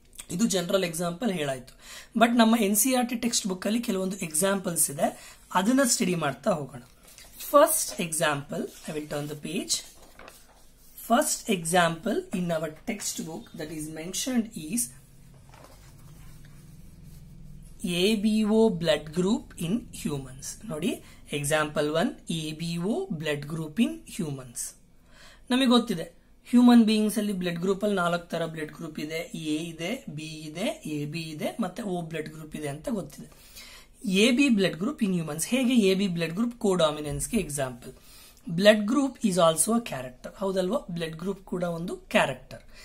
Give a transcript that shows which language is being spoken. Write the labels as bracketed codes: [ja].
[kn] ಇದು general example ಹೇಳಾಯ್ತು. But ನಮ್ಮ NCERT text book ಅಲ್ಲಿ ಕೆಲವೊಂದು ಎಕ್ಸಾಂಪಲ್ಸ್ ಇದೆ, ಅದನ್ನ ಸ್ಟಡಿ ಮಾಡ್ತಾ ಹೋಗೋಣ. [en] First example, I will turn the page. First example in our text book that is mentioned is ABO blood group in humans. [kn] ನೋಡಿ, example one, [en] ABO blood group in humans. [kn] ನಮಗೆ ಗೊತ್ತಿದೆ human beings ಅಲ್ಲಿ blood group ಅಲ್ಲಿ ನಾಲ್ಕು ತರ blood group ಇದೆ, A ಇದೆ, B ಇದೆ, ಎ ಬಿ ಇದೆ, ಮತ್ತೆ ಓ ಬ್ಲಡ್ ಗ್ರೂಪ್ ಇದೆ ಅಂತ ಗೊತ್ತಿದೆ. A B blood group in humans, ಹೇಗೆ A B blood group co dominance ಗೆ example. [en] blood group is also a character, [kn] ಹೌದಲ್ವಾ? ಬ್ಲಡ್ ಗ್ರೂಪ್ ಕೂಡ ಒಂದು ಕ್ಯಾರೆಕ್ಟರ್.